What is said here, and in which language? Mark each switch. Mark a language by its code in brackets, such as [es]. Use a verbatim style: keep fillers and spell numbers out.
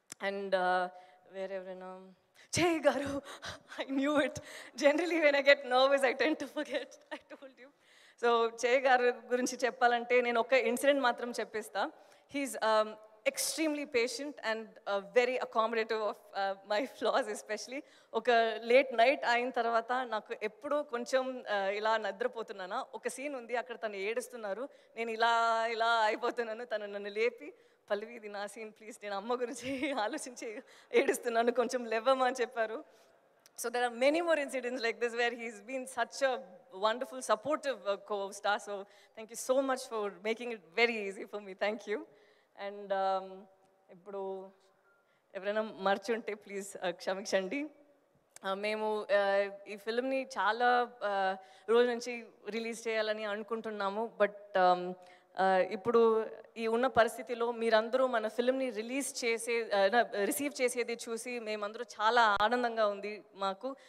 [en] And uh, wherever now, Jay garu, I knew it. Generally when I get nervous I tend to forget, I told you. [te] So చే గారి గురించి చెప్పాలంటే నేను ఒక incident మాత్రం చెప్పేస్తా. [en] He is extremely patient and very accommodative of my flaws especially. [te] ఒక late night అయిన తర్వాత నాకు ఎప్పుడూ కొంచెం uh, ఇలా నిద్రపోతున్నానా, ఒక సీన్ ఉంది అక్కడ తను ఏడుస్తున్నారు, నేను ఇలా ఇలా అయిపోతున్నాను, తను నన్ను లేపి పల్లవి ఇది నా సీన్ ప్లీజ్, నేను అమ్మ గురించి ఆలోచించి ఏడుస్తున్నాను కొంచెం లెవ్వమని చెప్పారు. [en] So there are many more incidents like this where he's been such a wonderful, supportive uh, co-star. So thank you so much for making it very easy for me. Thank you. And um, [te] ఇప్పుడు ఎవరైనా మర్చుంటే please క్షమించండి. ఆ, మేము ఆ, ఈ ఫిల్మ్ని చాలా ఆ, రోజుల నుంచి రిలీజ్ చేయాలని అనుకుంటున్నాము, బట్ ఇప్పుడు ఈ ఉన్న పరిస్థితిలో మీరందరూ మన ఫిల్మ్ని రిలీజ్ చేసే రిసీవ్ చేసేది చూసి మేమందరూ చాలా ఆనందంగా ఉంది మాకు.